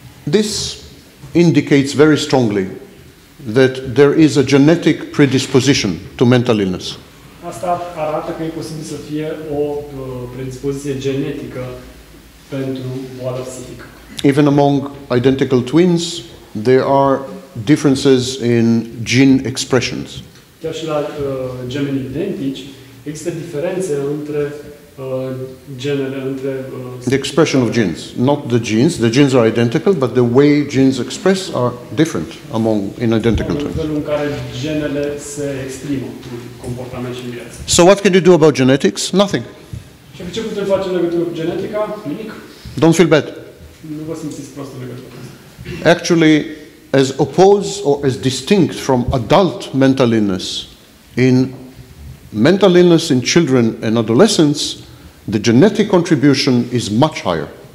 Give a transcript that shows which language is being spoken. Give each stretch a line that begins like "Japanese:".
English: This indicates very strongly that there is a genetic predisposition to mental illness.
Romanian: Asta arată că e posibil să fie o predispoziție genetică pentru boală psihică.
English: Even among identical twins, there are differences in gene expressions.
Romanian: Chiar și la gemeni identici, există diferențe între genele, între
English: the expression of genes, not the genes. The genes are identical, but the way genes express are different among in identical twins.
Romanian: Felul în care genele se exprimă, comportament și viață.
English: So what can you do about genetics? Nothing.
Romanian: Și ce putem face în legătură cu genetica? Nimic.
English: Don't feel bad.
Romanian: Nu vă simțiți prost în legătură cu asta.
English: Actually, as opposed or as distinct from adult mental illness in mental illness in children and adolescents, the genetic contribution is much higher.